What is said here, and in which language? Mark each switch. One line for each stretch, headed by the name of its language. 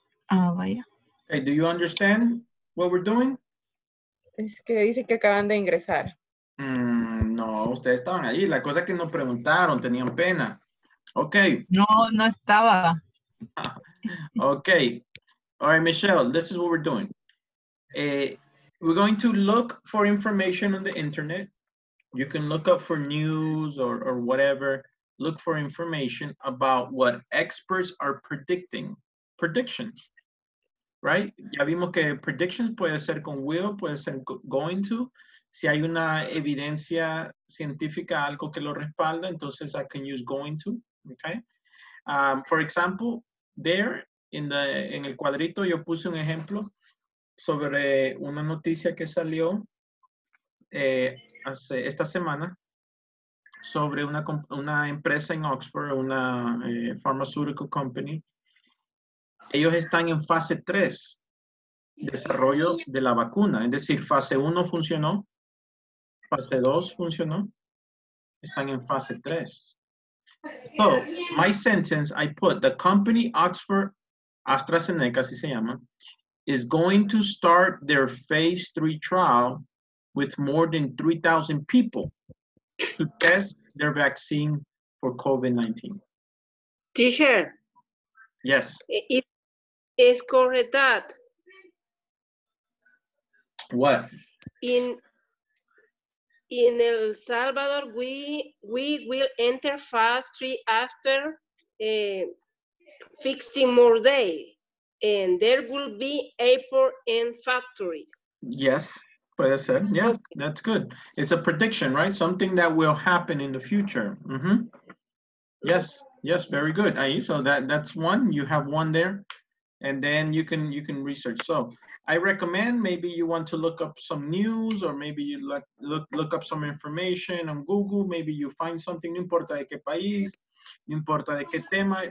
Spanish: Ah, vaya.
English: Hey, do you understand what we're doing?
Spanish: Es que dice que acaban de ingresar. No, ustedes estaban allí. La cosa es que nos preguntaron, tenían pena.
English: Ok.
Spanish: No estaba.
English: Okay. All right, Michelle, this is what we're doing. We're going to look for information on the internet. You can look up for news or whatever. Look for information about what experts are predicting. Predictions. right?
Spanish: Ya vimos que predictions puede ser con will, puede ser going to. Si hay una evidencia científica, algo que lo respalda, entonces
English: I can use going to,
Spanish: okay?
English: For example, there,
Spanish: en el cuadrito, yo puse un ejemplo sobre una noticia que salió hace esta semana sobre una empresa en Oxford, una pharmaceutical company. Ellos están en fase 3, desarrollo de la vacuna. Es decir, fase 1 funcionó, fase 2 funcionó, están en fase 3.
English: So, my sentence, I put, the company Oxford AstraZeneca,
Spanish: así se llama,
English: is going to start their phase 3 trial with more than 3,000 people to test their vaccine for COVID-19. Teacher. Yes. Es correct that. What? In El Salvador, we will enter fast 3 after fixing more day. And there will be airport and factories. Yes,
Spanish: puede ser.
English: Yeah, okay. That's good. It's a prediction, right? Something that will happen in the future. Mm-hmm. Yes, yes, very good. Ahí, so that's one. You have one there. And then you can research. So I recommend maybe you want to look up some news, or maybe you look up some information on Google. Maybe you find something.
Spanish: No importa de qué país, no importa de qué tema.